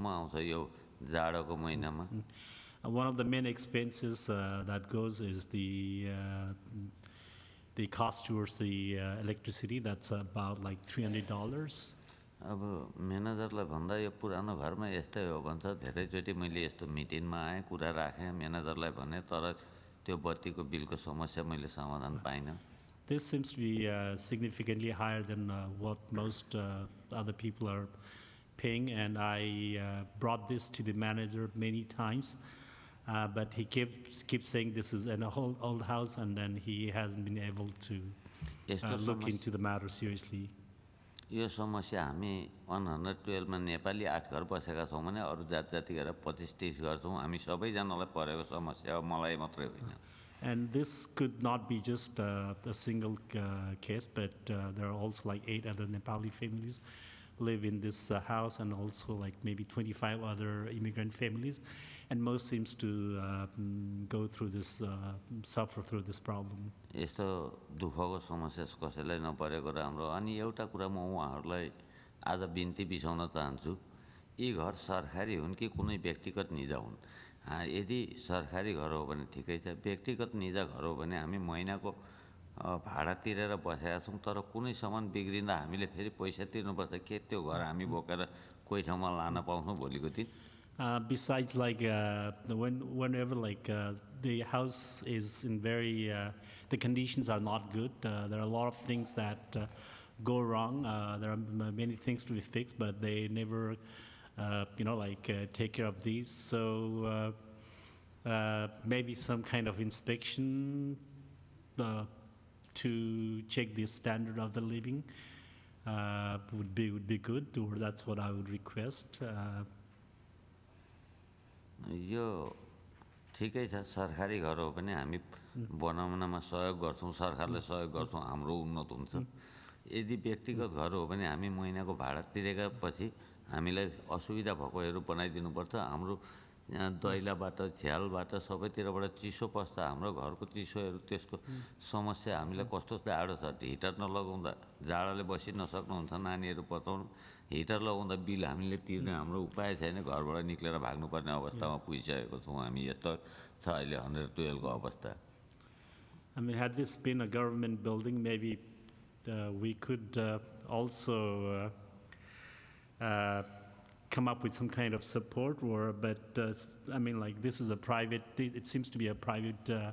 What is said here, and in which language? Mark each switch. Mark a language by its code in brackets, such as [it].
[en] One of the main expenses that goes is the cost towards the electricity. That's about like $300. [ne] अब म्यानेजरले भन्दा यो पुरानो घरमा यस्तै हो भन्छ धेरैचोटि मैले यस्तो मिटिङमा आएँ कुरा राखेँ म्यानेजरलाई भने तर त्यो बत्तीको बिलको समस्या मैले समाधान पाइनँ. [en] This seems to be significantly higher than what most other people are paying, and I brought this to the manager many times, but he keeps saying this is an old house, and then he hasn't been able to look into the matter seriously. [ne] यो समस्या हामी 112मा नेपाली आठ घर बसेका छौँ भने अरू जात जाति गरेर 25-30 गर्छौँ हामी सबैजनालाई परेको समस्या हो मलाई मात्रै होइन. [en] And this could not be just a single case, but there are also like 8 other Nepali families live in this house, and also like maybe 25 other immigrant families, and most seems to go through this, suffer through this problem. [ne] यस्तो दुःखको समस्या कसैलाई नपरेको राम्रो. अनि एउटा कुरा म उहाँहरूलाई आज बिन्ती बिसाउन चाहन्छु, यी घर सरकारी हुन् कि कुनै व्यक्तिगत निजा हुन्, यदि सरकारी घर हो भने ठिकै छ, व्यक्तिगत निजा घर हो भने हामी महिनाको भाडा तिरेर बसेका छौँ, तर कुनै सामान बिग्रिँदा हामीले फेरि पैसा तिर्नुपर्छ, के त्यो घर हामी बोकेर कोही ठाउँमा लान पाउँछौँ भोलिको दिन? [en] Besides, like whenever like the house is in very the conditions are not good, there are a lot of things that go wrong. There are many things to be fixed, but they never take care of these. So maybe some kind of inspection to check the standard of the living would be good, or that's what I would request. [ne] यो ठिकै छ, सरकारी घर हो भने हामी बनाउनमा सहयोग गर्छौँ, सरकारले सहयोग गर्छौँ, हाम्रो उन्नत हुन्छ। यदि व्यक्तिगत घर हो भने हामी महिनाको भाडा तिरेका पछि हामीलाई असुविधा भएकोहरू बनाइदिनुपर्छ। हाम्रो दैलाबाट झ्यालबाट सबैतिरबाट चिसो पस्दा हाम्रो घरको चिसोहरू त्यसको समस्या हामीलाई कस्तो जाडो छ, हिटर नलगाउँदा जाडोले बसी नसक्नुहुन्छ नानीहरू पताउनु, हिटर लगाउँदा बिल हामीले तिर्ने हाम्रो उपाय छैन, घरबाट निस्केर भाग्नुपर्ने अवस्थामा पुगिसकेको छौँ हामी, यस्तो छ अहिले 112 को अवस्था। [en] I mean, had this been a government building, maybe we could also come up with some kind of support, or but I mean, like this is a private, it seems to be a private